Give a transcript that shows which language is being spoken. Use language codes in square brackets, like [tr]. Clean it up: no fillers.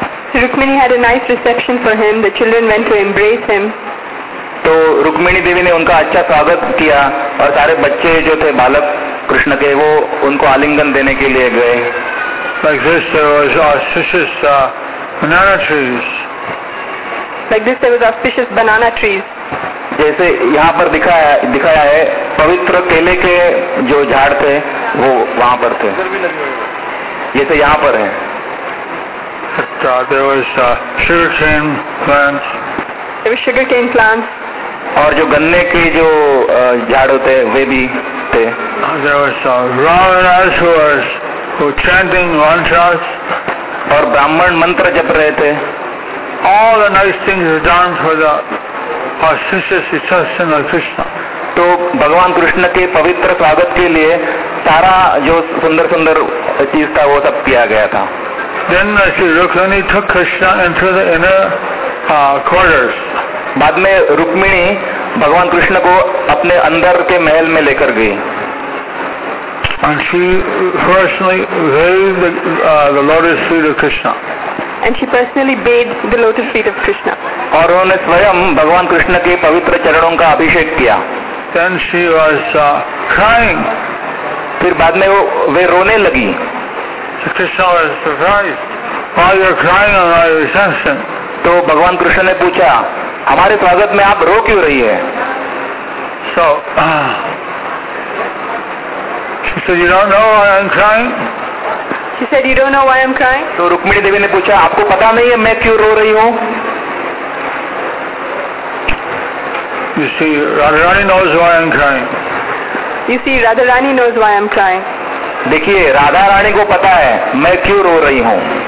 [en] Rukmini had a nice reception for him. The children went to embrace him. [hi] तो रुक्मिणी देवी ने उनका अच्छा स्वागत किया और सारे बच्चे जो थे बालक कृष्ण के वो उनको आलिंगन देने के लिए गए. [en] Like this there was auspicious banana trees. Like this there was auspicious banana trees. [hi] जैसे यहाँ पर दिखाया है पवित्र केले के जो झाड़ थे वो वहाँ पर थे. ये तो यहाँ पर है. [en] There was sugarcane plants. There was sugarcane plants. [hi] और जो गन्ने के जो झाड़ होते हैं वे भी थे. [en] There was Ravanas who were chanting mantras. [hi] और ब्राह्मण मंत्र जप रहे थे. [en] All the nice things were done for the auspicious reception of Krishna. [hi] तो भगवान कृष्ण के पवित्र स्वागत के लिए सारा जो सुंदर सुंदर चीज था वो सब किया गया था. [en] Then Sri Rukmini took Krishna into the inner quarters. [hi] बाद में रुक्मिणी भगवान कृष्ण को अपने अंदर के महल में लेकर गई. [en] And she personally bathed the lotus feet of Krishna. And she personally bathed the lotus feet of Krishna. [hi] और उन्होंने स्वयं भगवान कृष्ण के पवित्र चरणों का अभिषेक किया. [en] Then she was crying. [hi] फिर बाद में वे रोने लगी. [en] So Krishna was surprised. Why are you crying on my reception? [hi] तो भगवान कृष्ण ने पूछा हमारे स्वागत में आप रो क्यों रही है. [en] So she said, you don't know why I'm crying. She said, you don't know why I'm crying. [hi] तो रुक्मिणी देवी ने पूछा आपको पता नहीं है मैं क्यों रो रही हूँ. [en] You see, Radharani knows why I'm crying. You see, Radharani knows why I'm crying. [hi] देखिए राधा रानी को पता है मैं क्यों रो रही हूँ.